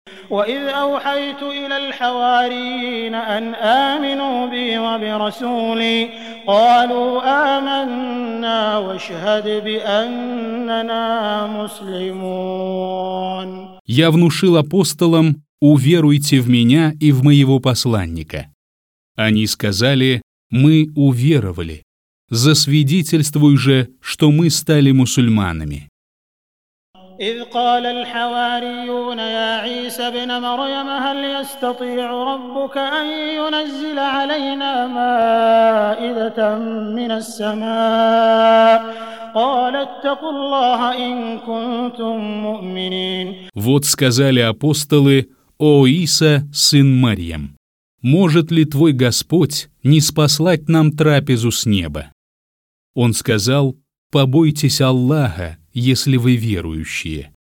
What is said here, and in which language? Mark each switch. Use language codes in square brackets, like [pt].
[ar] وَإِذْ أَوْحَيْتُ إِلَى الْحَوَارِيِّينَ أَنْ آمِنُوا بِي وَبِرَسُولِي قَالُوا آمَنَّا وَاشْهَدْ بِأَنَّنَا مُسْلِمُونَ. [ru] Я внушил апостолам: «Уверуйте в меня и в моего посланника». Они сказали: «Мы уверовали. Засвидетельствуй же, что мы стали мусульманами». [ar] إذ قال الحواريون يا عيسى ابن مريم هل يستطيع ربك أن ينزل علينا مائدة من السماء قال اتقوا الله إن كنتم مؤمنين. [ru] Вот сказали апостолы: «О Иса, сын Марьям, может ли твой Господь ниспослать нам трапезу с неба?» Он сказал: «Побойтесь Аллаха, если вы верующие».